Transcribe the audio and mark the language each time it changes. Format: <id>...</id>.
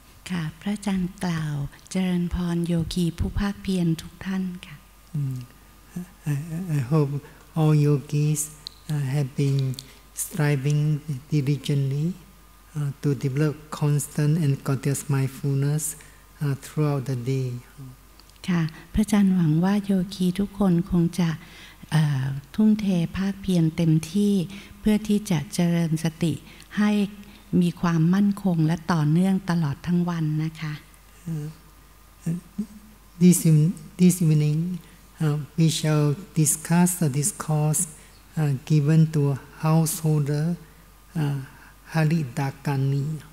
<th>ค่ะพระอาจารย์กล่าวเจริญพรโยคีผู้ภาคเพียรทุกท่านค่ะ</th> <en>I hope all yogis have been striving diligently to develop constant and continuous mindfulness throughout the day</en> <th>ค่ะพระอาจารย์หวังว่าโยคีทุกคนคงจะทุ่มเทภาคเพียรเต็มที่เพื่อที่จะเจริญสติให้มีความมั่นคงและต่อเนื่องตลอดทั้งวันนะคะ</th> <en>This evening we shall discuss the discourse given to householder Haridakani</en>